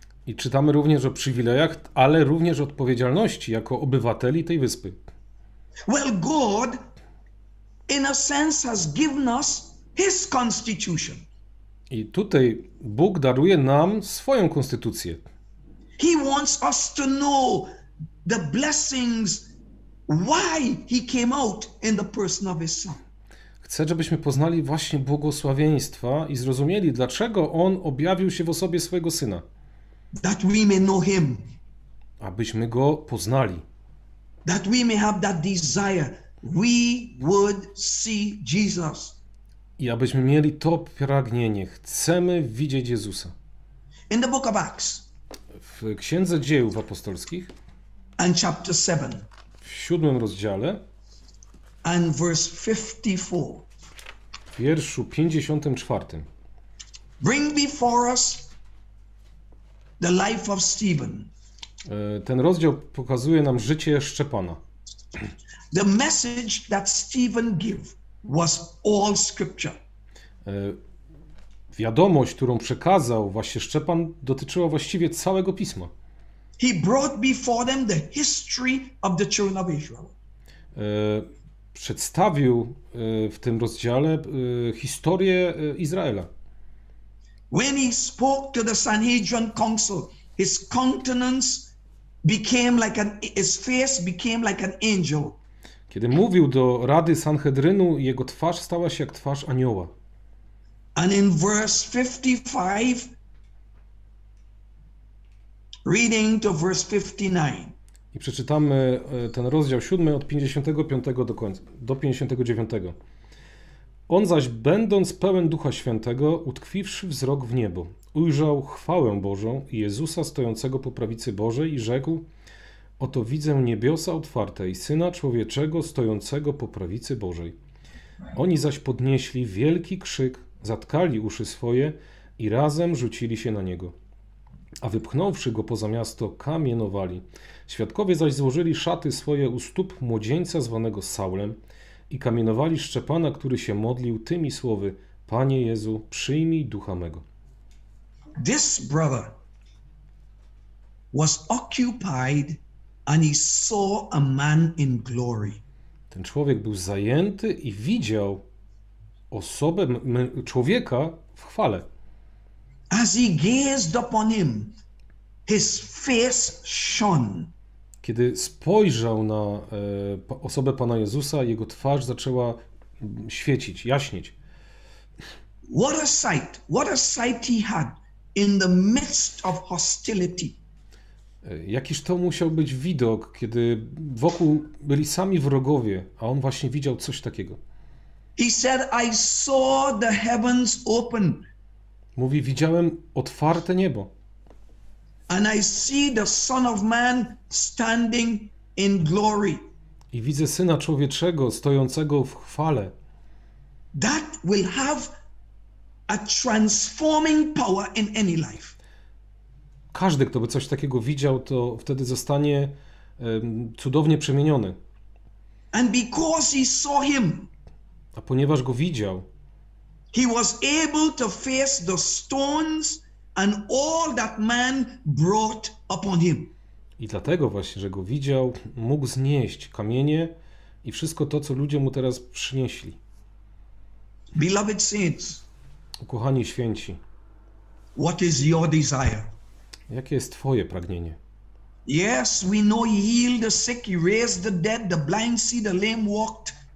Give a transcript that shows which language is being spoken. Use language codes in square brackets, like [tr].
[pl] I czytamy również o przywilejach, ale również odpowiedzialności jako obywateli tej wyspy. [en] Well, God in a sense has given us his constitution. [pl] I tutaj Bóg daruje nam swoją konstytucję. [en] He wants us to know the blessings, why he came out in the person of his son. [pl] Chcę, żebyśmy poznali właśnie błogosławieństwa i zrozumieli, dlaczego on objawił się w osobie swojego syna. [en] That we may know him. [pl] Abyśmy go poznali. [en] That we may have that desire. We would see Jesus. [pl] I abyśmy mieli to pragnienie. Chcemy widzieć Jezusa. [en] In the book of Acts. [pl] W Księdze Dziejów Apostolskich. [en] And chapter 7. [pl] W siódmym rozdziale. [en] And verse 54. [pl] W wierszu 54. [en] Bring before us the life of Stephen. [pl] Ten rozdział pokazuje nam życie Szczepana. [en] The message that Stephen gave was all scripture. [pl] Wiadomość, którą przekazał właśnie Szczepan, dotyczyła właściwie całego pisma. [en] He brought before them the history of the children of Israel. [pl] Przedstawił w tym rozdziale historię Izraela. [en] When he spoke to the Sanhedrin council, his countenance became like an, his face became like an angel. [pl] Kiedy mówił do rady Sanhedrynu, jego twarz stała się jak twarz anioła. [en] And in verse 55, reading to verse 59. [pl] I przeczytamy ten rozdział 7 od 55 do końca, do 59. On zaś, będąc pełen Ducha Świętego, utkwiwszy wzrok w niebo, ujrzał chwałę Bożą i Jezusa stojącego po prawicy Bożej i rzekł: oto widzę niebiosa otwarte i Syna Człowieczego stojącego po prawicy Bożej. Oni zaś podnieśli wielki krzyk, zatkali uszy swoje i razem rzucili się na Niego. A wypchnąwszy Go poza miasto, kamienowali. Świadkowie zaś złożyli szaty swoje u stóp młodzieńca zwanego Saulem, i kamienowali Szczepana, który się modlił tymi słowy: Panie Jezu, przyjmij ducha mego. [en] This brother was occupied and he saw a man in glory. [pl] Ten człowiek był zajęty i widział osobę, człowieka w chwale. [en] As he gazed upon him, his face shone. [pl] Kiedy spojrzał na osobę Pana Jezusa, jego twarz zaczęła świecić, jaśnieć. [en] What a sight he had in the midst of hostility. [pl] Jakiż to musiał być widok, kiedy wokół byli sami wrogowie, a on właśnie widział coś takiego. [en] He said, I saw the heavens open. [pl] Mówi, widziałem otwarte niebo. [en] And I see the Son of Man standing in glory. [pl] I widzę Syna Człowieczego stojącego w chwale. [en] That will have a transforming power in any life. [pl] Każdy, kto by coś takiego widział, to wtedy zostanie cudownie przemieniony. [en] And because he saw him, [pl] A ponieważ go widział, [en] he was able to face the stones and all that man brought upon him. [pl] I dlatego właśnie, że go widział, mógł znieść kamienie i wszystko to, co ludzie mu teraz przynieśli. [en] Beloved saints, [pl] Ukochani święci, [en] what is your desire? [pl] Jakie jest twoje pragnienie? [en] Yes, we know he healed the sick, he raised the dead, the blind see, the lame walked.